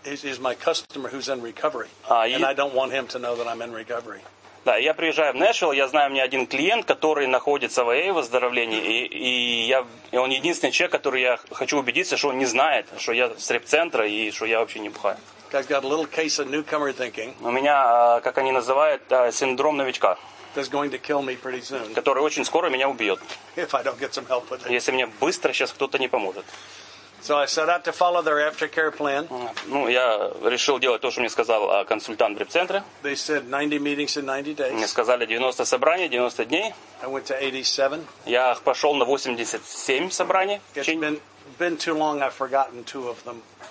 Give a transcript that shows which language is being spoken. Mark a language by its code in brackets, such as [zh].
[en] Is my customer who's in recovery. And I don't want him to know that I'm in recovery. [ru] Да, я приезжаю в Нэшвилл, я знаю мне один клиент, который находится в АА выздоровлении, и он единственный человек, который я хочу убедиться, что он не знает, что я с реп-центра и что я вообще не бухаю. [en] Guy's got a little case of newcomer thinking. [ru] У меня, как они называют, синдром новичка. [en] That's going to kill me pretty soon. [ru] Который очень скоро меня убьет. [en] If I don't get some help with it. [ru] Если мне быстро сейчас кто-то не поможет. [en] So I set out to follow their aftercare plan. [ru] Ну, я решил делать то, что мне сказал консультант в реп-центре. [en] They said 90 meetings in 90 days. [ru] Мне сказали 90 собраний, 90 дней. [en] I went to 87. [ru] Я пошел на 87 собраний. [en] Been too long, I've forgotten two of them.